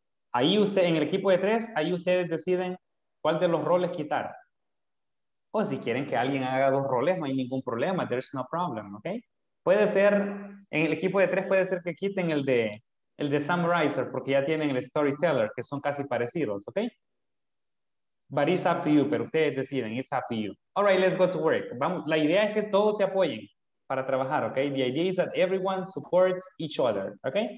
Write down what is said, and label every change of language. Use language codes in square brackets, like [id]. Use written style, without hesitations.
[es] Ahí usted, en el equipo de tres, ahí ustedes deciden cuál de los roles quitar. O si quieren que alguien haga dos roles, no hay ningún problema. [en] There's no problem. [es] Ok. Puede ser, en el equipo de tres puede ser que quiten el de summarizer porque ya tienen el storyteller, que son casi parecidos. [en] Ok. But it's up to you, [es] pero ustedes deciden, [en] it's up to you. All right, let's go to work. Vamos. [es] La idea es que todos se apoyen para trabajar, ¿ok? [en] The idea is that everyone supports each other, ¿ok?